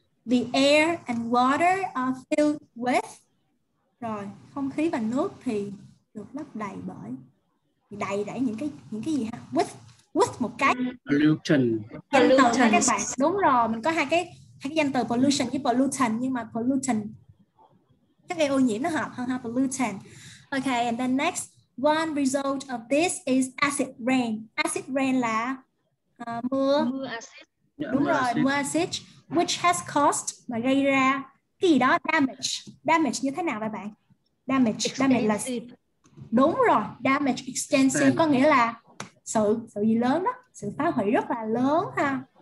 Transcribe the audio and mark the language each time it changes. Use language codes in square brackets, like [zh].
[en] The air and water are filled with. [vi] Rồi, không khí và nước thì được lấp đầy bởi. Đầy đẩy những cái gì ha? With một cái. [en] Pollution. [vi] Danh từ nha các bạn. Đúng rồi, mình có hai cái danh từ pollution với pollutant, nhưng mà pollutant các gây ô nhiễm nó hợp hơn ha, pollutant. [en] Okay, and then next, one result of this is acid rain. [vi] Acid rain là mưa. Mưa acid. Đúng rồi, mưa acid, [en] which has caused, [vi] mà gây ra cái gì đó, damage. Damage như thế nào vậy bạn? Damage, damage là... Đúng rồi, damage extensive có nghĩa là sự gì lớn đó, sự phá hủy rất là lớn ha.